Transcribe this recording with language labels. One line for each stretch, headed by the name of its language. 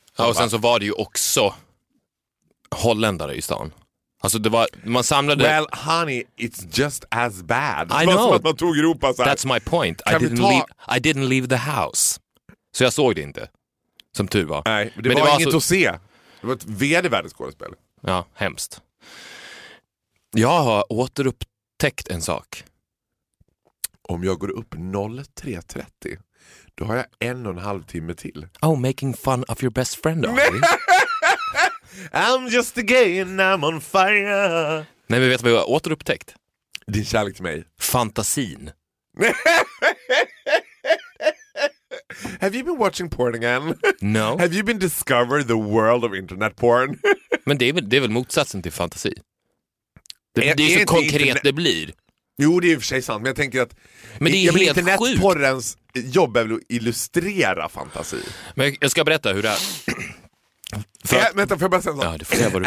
Swedish: Ja, och sen så var det ju också holländare i stan. Alltså det var, man samlade...
English: Well, honey, it's just as bad. I know.
Swedish: Att man tog Europa så här.
English: That's my point. I didn't leave the house.
Swedish: Så jag såg det inte. Som tur var. Nej, men det var inget alltså... att se. Det var ett vd-värdigt skådespel. Ja, hemskt. Jag har återupptäckt en sak. Om jag går upp 03:30, då har jag 1,5 timme till.
English: Oh, making fun of your best friend, are you? I'm just a gay and I'm on fire.
Swedish: Nej, men vet du vad jag har återupptäckt? Din kärlek till mig. Fantasin.
English: Have you been watching porn again? No. Have you been discovered the world of internet porn?
Swedish: Men det är väl motsatsen till fantasi. Det är så konkret det blir. Jo, det är ju för sig sant. Men jag tänker att internetporrens jobb är väl att illustrera fantasi. Men jag ska berätta hur det är. Vänta, får jag bara säga en sak? Ja, du får säga vad du